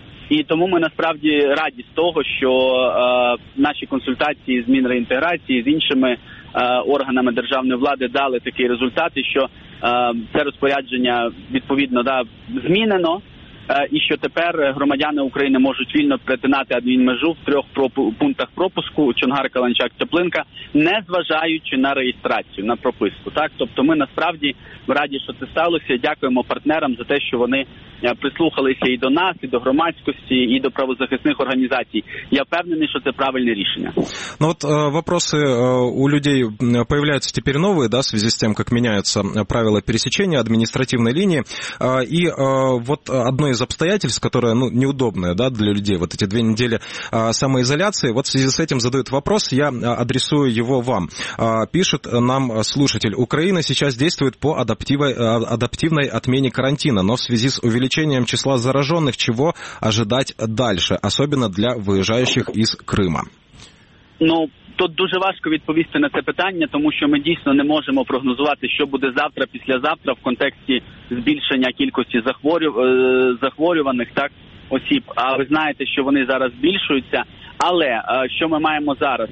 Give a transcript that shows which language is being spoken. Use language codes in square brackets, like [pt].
[uk] І тому ми насправді раді з того, що наші консультації з Мінреінтеграції, з іншими органами державної влади дали такі результати, що це розпорядження відповідно змінено, і що тепер громадяни України можуть вільно перетинати адмінмежу в трьох пунктах пропуску – Чонгар, Каланчак, Чаплинка, не зважаючи на реєстрацію, на прописку. Так? Тобто ми насправді раді, що це сталося, дякуємо партнерам за те, що вони прислухалися і до нас, і до громадськості, і до правозахисних організацій. Я впевнений, що це правильне рішення. [ru] Ну от вопроси у людей появляются теперь новые, да, в связи с тем, как меняются правила пересечения административной линии. И вот одно из обстоятельств, которое, ну, неудобное, да, для людей, вот эти две недели самоизоляции, вот в связи с этим задают вопрос, я адресую его вам. Пишет нам слушатель: Украина сейчас действует по адаптивной отмене карантина, но в связи с увеличением числа зараженных, чего ожидать дальше, особенно для выезжающих из Крыма? [uk] Ну, тут дуже важко відповісти на це питання, тому що ми дійсно не можемо прогнозувати, що буде завтра, післязавтра в контексті збільшення кількості захворюваних, так, осіб. А ви знаєте, що вони зараз збільшуються. Але що ми маємо зараз?